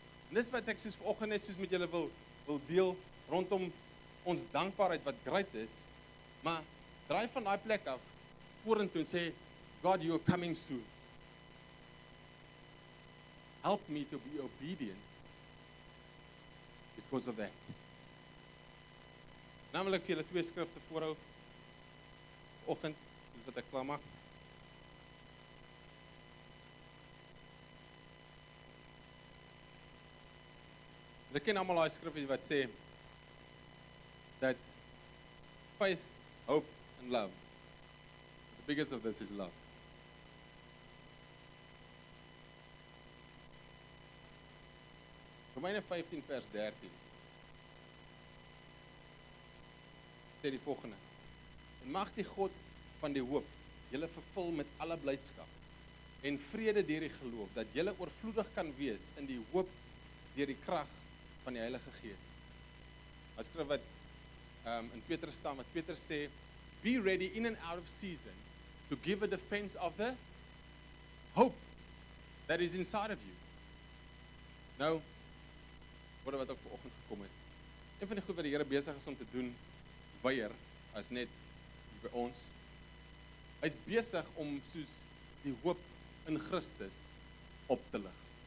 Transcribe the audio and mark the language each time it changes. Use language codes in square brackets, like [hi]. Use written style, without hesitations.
[af] En dis wat ek soos vanoggend net soos met julle wil deel rondom ons dankbaarheid wat groot is, maar draai van daai plek af vorentoe en sê, [en] God, you are coming soon. Help me to be obedient because of that. [af] Nou wil ek vir julle twee skrifte voorhou oggend, soos wat ek klaar maak. Jy ken almal daai skrifgie wat sê [en] that faith, hope and love. The biggest of this is love. [af] Romeine 15 vers 13. Sê die volgende. En mag die God van die hoop julle vervul met alle blydskap en vrede deur die geloof dat julle oorvloedig kan wees in die hoop deur die krag van die Heilige Gees. As skryf wat in Petrus staan wat Petrus sê, [en] be ready in and out of season to give a defense of the hope that is inside of you. [af] Nou word wat ook vir oggend gekom het. Een van die goed wat die Here besig is om te doen weier as net by ons. Hy is besig om soos die hoop in Christus op te lig.